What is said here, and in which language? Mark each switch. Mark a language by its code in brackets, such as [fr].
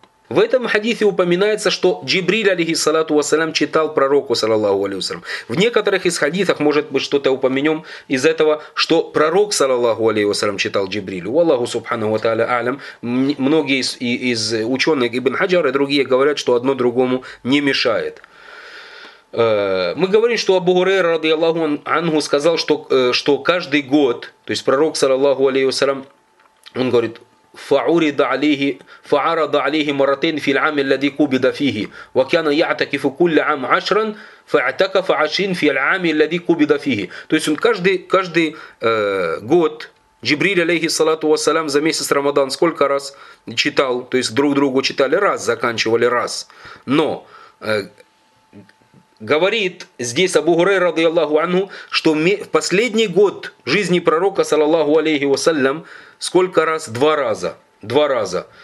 [ru] В этом хадисе упоминается, что Джибриль, алейхиссалату вассалям, читал пророку, саллаллаху алейхи вассалям. В некоторых из хадисов, может быть, что-то упомянем из этого, что пророк, саллаллаху алейхи вассалям, читал Джибрилю. Валлаху субхану ва тааля алям. Многие из ученых, Ибн Хаджар и другие, говорят, что одно другому не мешает. Мы говорим, что Абу Гурейра, радиаллаху ангу, сказал, что каждый год, то есть пророк, саллаллаху алейхи вассалям, он говорит, [ar] فعرض عليه مرتين في العام الذي قبض فيه وكان يعتكف كل عام عشرا فاعتكف عشرين في العام الذي قبض فيه. [ru] То есть он каждый год Джибриль алейхиссалату вассалям за месяц Рамадан сколько раз читал, то есть друг другу читали раз, заканчивали раз. Но говорит здесь Абу Гурейра радиаллаху анху, что в последний год жизни пророка саллаллаху алейхи вассалям сколько раз? Два раза.